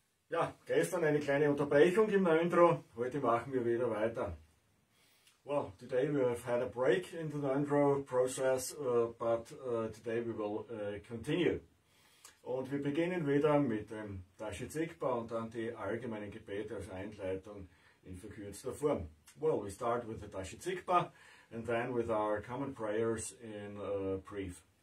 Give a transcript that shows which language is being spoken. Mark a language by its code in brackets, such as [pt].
[de] Ja, gestern eine kleine Unterbrechung im Ngondro, heute machen wir wieder weiter. [en] Well, today we have had a break in the Ngondro process, but today we will continue. [de] Und wir beginnen wieder mit dem Dashi Zigpa und dann die allgemeinen Gebete als Einleitung in verkürzter Form. [en] Well, we start with the Dashi Zigpa and then with our common prayers in brief.